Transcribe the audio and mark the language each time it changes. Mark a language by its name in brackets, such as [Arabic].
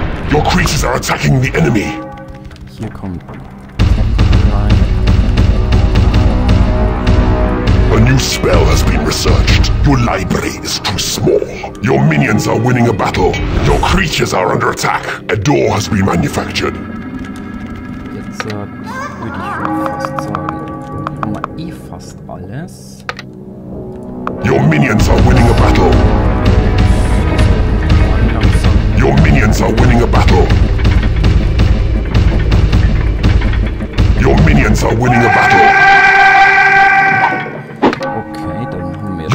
[English] Your creatures are attacking the enemy. Here come. A new spell has been researched. Your library is too small. Your minions are winning a battle. Your creatures are under attack. A door has been manufactured. [German] Jetzt würde ich fast sagen, haben wir fast alles. [English] Your minions are winning a battle. Your minions are winning a battle. Your minions are winning a battle. [German] Okay, dann haben wir